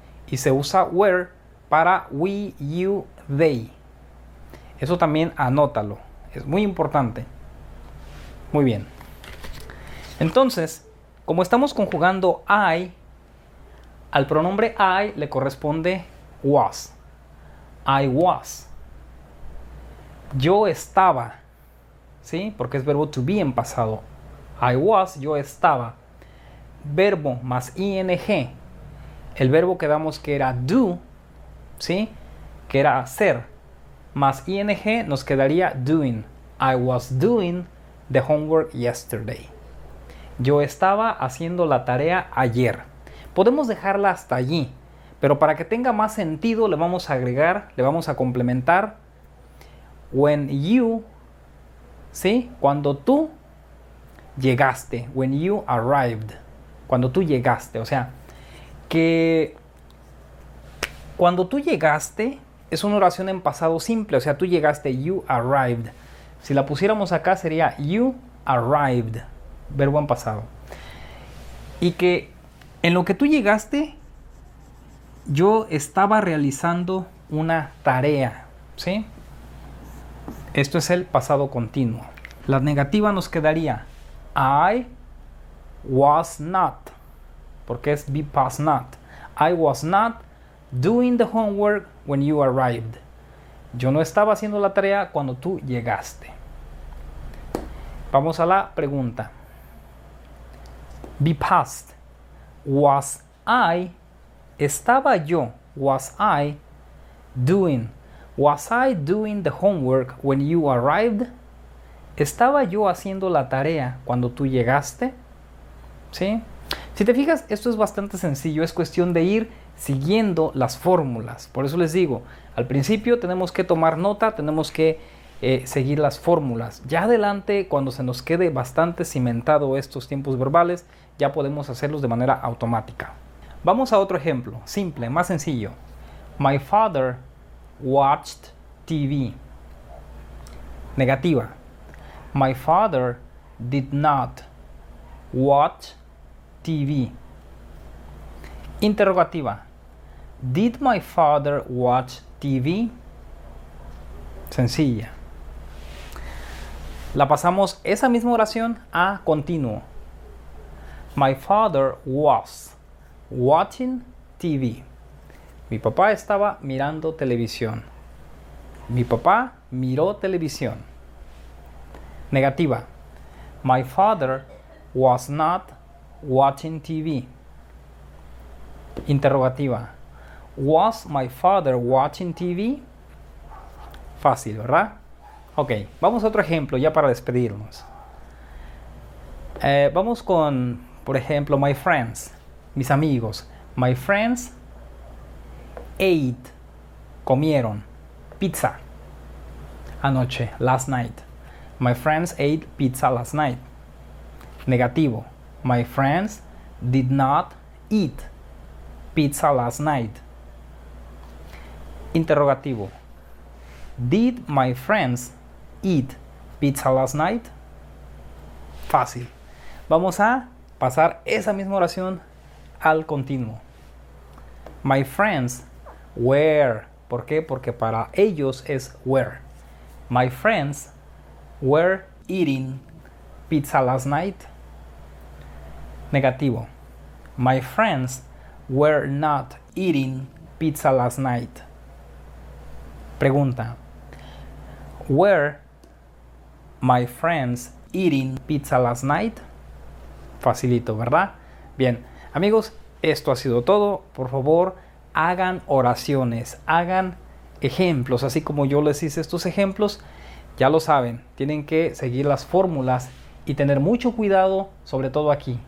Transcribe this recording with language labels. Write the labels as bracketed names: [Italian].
[Spanish] y se usa were para we, you, they. Eso también anótalo, es muy importante. Muy bien. Entonces, como estamos conjugando I, al pronombre I le corresponde was. [English] I was. [Spanish] Yo estaba. ¿Sí? Porque es verbo to be en pasado. [English] I was, [Spanish] yo estaba. Verbo más ing. El verbo que damos que era do, ¿sí? Que era hacer. Más ing nos quedaría doing. [English] I was doing the homework yesterday. [Spanish] Yo estaba haciendo la tarea ayer. Podemos dejarla hasta allí, pero para que tenga más sentido le vamos a agregar, le vamos a complementar. [English] When you, [Spanish] ¿sí? Cuando tú llegaste. [English] When you arrived. [Spanish] Cuando tú llegaste. O sea, que cuando tú llegaste es una oración en pasado simple. O sea, tú llegaste. [English] You arrived. [Spanish] Si la pusiéramos acá sería [English] you arrived. [Spanish] Verbo en pasado. Y que en lo que tú llegaste, yo estaba realizando una tarea. ¿Sí? Esto es el pasado continuo. La negativa nos quedaría [English] I was not, [Spanish] porque es be past not. [English] I was not doing the homework when you arrived. [Spanish] Yo no estaba haciendo la tarea cuando tú llegaste. Vamos a la pregunta. Be past. [English] Was I, [Spanish] estaba yo, [English] was I doing, was I doing the homework when you arrived? [Spanish] ¿Estaba yo haciendo la tarea cuando tú llegaste? ¿Sí? Si te fijas, esto es bastante sencillo. Es cuestión de ir siguiendo las fórmulas. Por eso les digo, al principio tenemos que tomar nota, tenemos que seguir las fórmulas. Ya adelante, cuando se nos quede bastante cimentado estos tiempos verbales, ya podemos hacerlos de manera automática. Vamos a otro ejemplo, simple, más sencillo. [English] My father watched TV. [Spanish] Negativa. [English] My father did not watch TV. [Spanish] Interrogativa. [English] Did my father watch TV? [Spanish] Sencilla. La pasamos esa misma oración a continuo. [English] My father was watching TV. [Spanish] Mi papá estaba mirando televisión. Mi papá miró televisión. Negativa. [English] My father was not watching TV. [Spanish] Interrogativa. [English] Was my father watching TV? [Spanish] Fácil, ¿verdad? Ok, vamos a otro ejemplo ya para despedirnos. Vamos con, por ejemplo, [English] my friends. [Spanish] Mis amigos. [English] My friends ate, [Spanish] comieron, [English] pizza [Spanish] anoche, [English] last night. My friends ate pizza last night. [Spanish] Negativo. [English] My friends did not eat pizza last night. [Spanish] Interrogativo. [English] Did my friends eat pizza last night? [Spanish] Fácil. Vamos a pasar esa misma oración al continuo. [English] My friends were. [Spanish] ¿Por qué? Porque para ellos es were. [English] My friends were eating pizza last night. [Spanish] Negativo. [English] My friends were not eating pizza last night. [Spanish] Pregunta. [English] Were my friends eating pizza last night? [Spanish] Facilito, ¿verdad? Bien, amigos, esto ha sido todo. Por favor, hagan oraciones, hagan ejemplos, así como yo les hice estos ejemplos. Ya lo saben, tienen que seguir las fórmulas y tener mucho cuidado, sobre todo aquí.